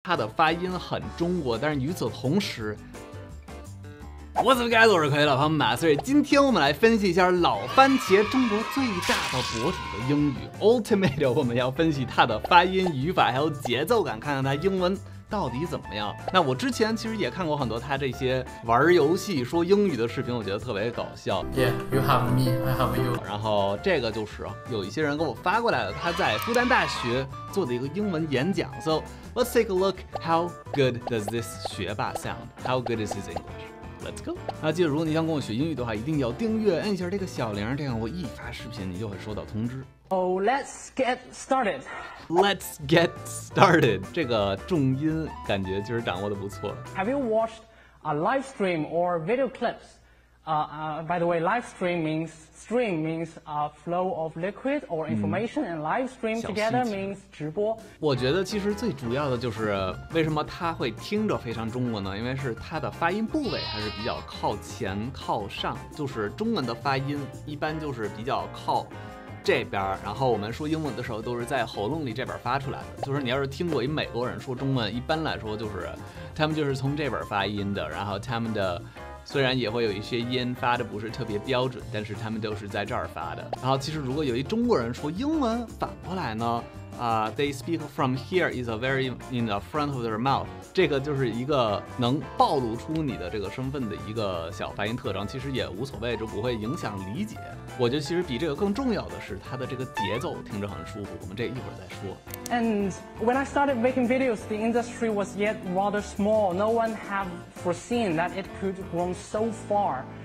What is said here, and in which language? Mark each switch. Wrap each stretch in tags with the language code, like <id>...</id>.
<zh>它的发音很中国，但是与此同时，我怎么该做是可以老朋友们，所以今天我们来分析一下老番茄中国最大的博主的英语 Ultimate， 我们要分析它的发音、语法还有节奏感，看看它英文到底怎么样。那我之前其实也看过很多他这些玩游戏说英语的视频，我觉得特别搞笑。</zh> <en>Yeah, you have me, I have you。</en> <zh>然后这个就是有一些人给我发过来的，他在复旦大学做的一个英文演讲。</zh> <en>So let's take a look how good does this 学霸 sound? How good is his English? Let's go。</en> <zh>那记得如果你想跟我学英语的话，一定要订阅，按一下这个小铃，这样我一发视频你就会收到通知。</zh> <en>Oh, let's get started. Let's get started.</en> <zh>这个重音感觉就是掌握的不错。</zh> <en>Have you watched a live stream or video clips? By the way, live stream means stream means a flow of liquid or information,and live stream together means 直播。</en> <zh>我觉得其实最主要的就是为什么他会听着非常中文呢？因为是他的发音部位还是比较靠前靠上，就是中文的发音一般就是比较靠这边，然后我们说英文的时候都是在喉咙里这边发出来的。就是你要是听过一美国人说中文，一般来说就是他们就是从这边发音的，然后他们的虽然也会有一些音发的不是特别标准，但是他们都是在这儿发的。然后其实如果有一中国人说英文反过来呢，</zh> <en>they speak from here is a very in the front of their mouth，</en> <zh>这个就是一个能暴露出你的这个身份的一个小发音特征，其实也无所谓，就不会影响理解。我觉得其实比这个更重要的是它的这个节奏听着很舒服，我们这一会儿再说。</zh> <en>And when I started making videos, the industry was yet rather small. No one have foreseen that it could grow so far.</en>